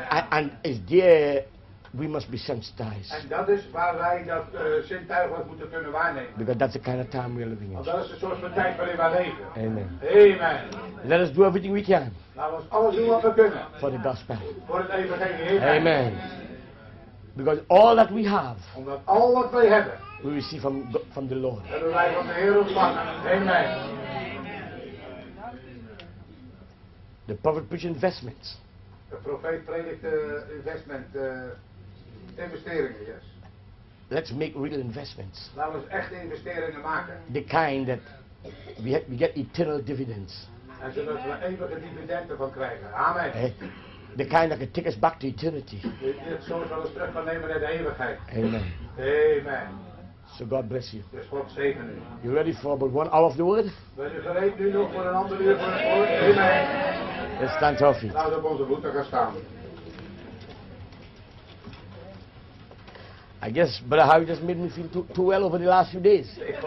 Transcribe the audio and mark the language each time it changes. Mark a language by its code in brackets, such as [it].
[en] And is there we must be sensitized. [nl] En dat is waar wij dat zintuigelijk moeten kunnen waarnemen. [en] Because that's the kind of time we are living in. [nl] Want dat is de soort van tijd waarin wij leven. [en] Amen. [nl] Amen. [en] Let us do everything we can. [nl] Laat ons alles doen wat we kunnen. [en] For the gospel. [nl] Voor het evangelie. [en] Amen. Because all that we have. [nl] Omdat al wat wij hebben. [en] We receive from the Lord. [nl] Hebben wij van de Heer ontvangen. [en] Amen. The prophet preached investments. [nl] De profeet predikt investment. Investeringen, yes. [en] Let's make real investments. [nl] Laten we echte investeringen maken. [en] The kind that we get eternal dividends. [nl] En zodat we eeuwige dividenden van krijgen. [en] Amen. Hey. The kind that can take us back to eternity. [nl] Dit soort van ons terug kan nemen naar de eeuwigheid. [en] Amen. [nl] Amen. [en] So God bless you. [nl] Dus God zegen u. [en] You ready for about 1 hour of the word? [nl] Ben je gereed nu nog voor een ander uur van het woord? [en] Amen. Let's stand to our feet. [nl] Laten we op onze voeten gaan staan. [en] I guess Brother Harry just made me feel too well over the last few days.